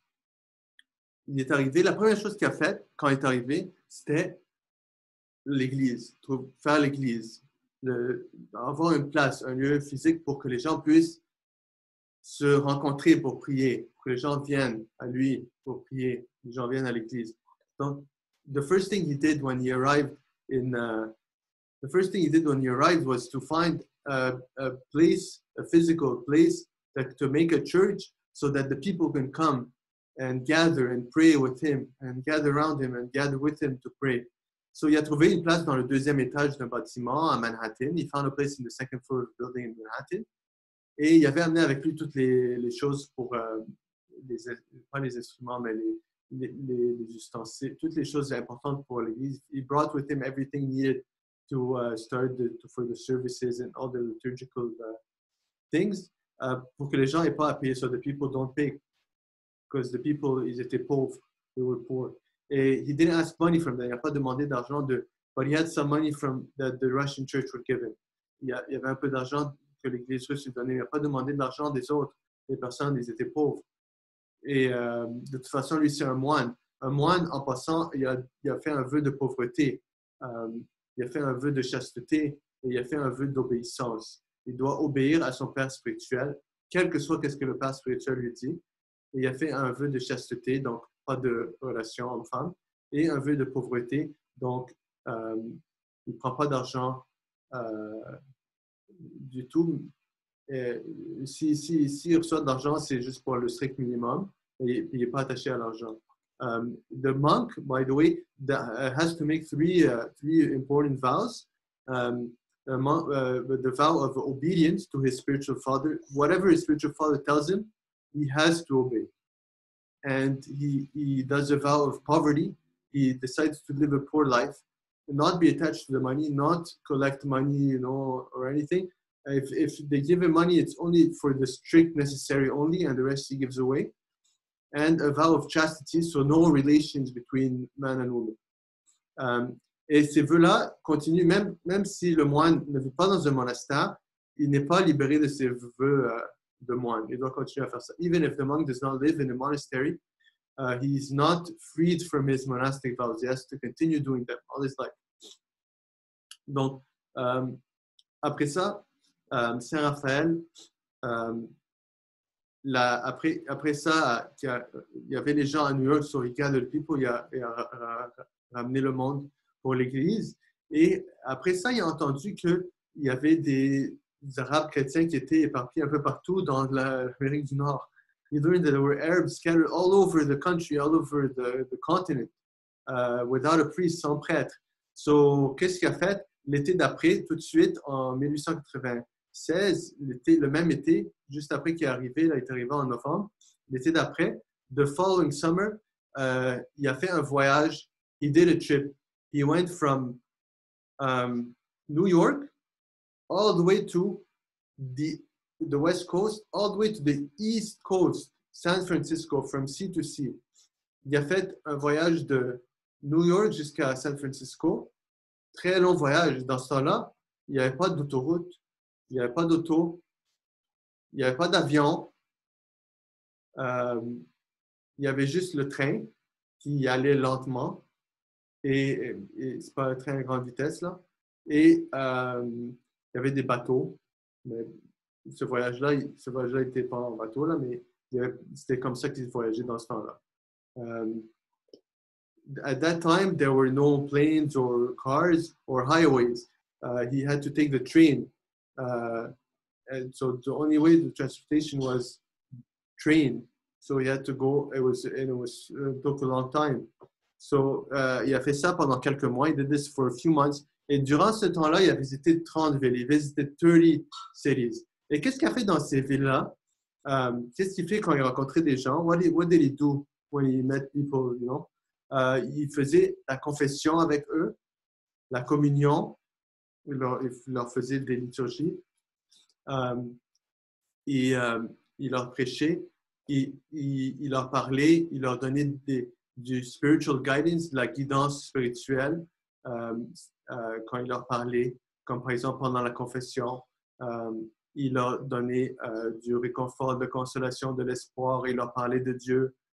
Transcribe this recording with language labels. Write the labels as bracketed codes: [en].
[fr] Donc, il est arrivé. La première chose qu'il a faite quand il est arrivé, c'était l'église, faire l'église, avoir une place, un lieu physique pour que les gens puissent se rencontrer pour prier, que les gens viennent à lui pour prier, que les gens viennent à l'église. [en] Donc, the first thing he did when he arrived was to find a place, a physical place. Like to make a church so that the people can come and gather and pray with him and gather around him and gather with him to pray. [fr] So il a trouvé une place dans le deuxième étage d'un bâtiment à Manhattan. [en] He found a place in the second floor of the building in Manhattan. [fr] Et il avait amené avec lui toutes les choses pour les ustensiles, toutes les choses importantes pour l'église. [en] He brought with him everything needed to for the services and all the liturgical things. [fr] Pour que les gens n'aient pas à payer, [en] so the people don't pay, because the people, [fr] ils étaient pauvres, [en] they were poor. Et he didn't ask money from them, [fr] il n'a pas demandé d'argent, [en] but he had some money from that the Russian church would give him. [fr] Il y avait un peu d'argent que l'Église russe lui donnait, il n'a pas demandé de l'argent des autres, les personnes, ils étaient pauvres. Et de toute façon, lui, c'est un moine. Un moine, en passant, il a fait un vœu de pauvreté, il a fait un vœu de chasteté, et il a fait un vœu d'obéissance. Il doit obéir à son père spirituel, quel que soit ce que le père spirituel lui dit. Et il a fait un vœu de chasteté, donc pas de relation homme-femme, et un vœu de pauvreté, donc il ne prend pas d'argent du tout. S'il reçoit de l'argent, c'est juste pour le strict minimum, et il n'est pas attaché à l'argent. [en] The monk, by the way, has to make three important vows. The vow of obedience to his spiritual father. Whatever his spiritual father tells him, he has to obey. And he does a vow of poverty. He decides to live a poor life, not be attached to the money, not collect money, you know, or anything. If they give him money, it's only for the strict necessary only, and the rest he gives away. And a vow of chastity, so no relations between man and woman. [fr] Et ces vœux-là continuent, même si le moine ne vit pas dans un monastère, il n'est pas libéré de ses vœux de moine. Il doit continuer à faire ça. [en] Even if the monk does not live in a monastery, he is not freed from his monastic vows. He has to continue doing them all his life. [fr] Donc, après ça, Saint Raphaël, il y avait les gens à New York, [en] so he gathered people, [fr] il a ramené le monde pour l'Église. Et après ça, il a entendu qu'il y avait des Arabes chrétiens qui étaient éparpillés un peu partout dans l'Amérique du Nord. [en] He learned that there were Arabs scattered all over the country, all over the continent, without a priest, [fr] sans prêtre. So, qu'est-ce qu'il a fait? L'été d'après, tout de suite, en 1896, le même été, juste après qu'il est arrivé, là, il est arrivé en novembre, l'été d'après, [en] the following summer, [fr] il a fait un voyage, [en] he did a trip. He went from New York all the way to the West Coast, all the way to the East Coast, San Francisco, from sea to sea. [fr] Il a fait un voyage de New York jusqu'à San Francisco. Très long voyage. Dans ce temps-là, il n'y avait pas d'autoroute, il n'y avait pas d'auto, il n'y avait pas d'avion. Il y avait juste le train qui allait lentement. Et c'est pas un train à grande vitesse là. Et il y avait des bateaux, mais ce voyage-là n'était pas en bateau là, mais c'était comme ça qu'ils voyageaient dans ce temps-là. [en] At that time, there were no planes or cars or highways. He had to take the train And so the only way the transportation was train. So he had to go, it took a long time. [fr] So il a fait ça pendant quelques mois, [en] he did this for a few months. [fr] Et durant ce temps-là, il a visité 30 villes, [en] he visited 30 cities. [fr] Et qu'est-ce qu'il a fait dans ces villes-là? Qu'est-ce qu'il fait quand il rencontrait des gens? [en] What did he do when he met people, you know? [fr] Il faisait la confession avec eux, la communion, il leur faisait des liturgies, il leur prêchait, il leur parlait, il leur donnait du [en] spiritual guidance, [fr] de la guidance spirituelle, quand il leur parlait, comme par exemple pendant la confession, il leur donnait du réconfort, de consolation, de l'espoir, il leur parlait de Dieu.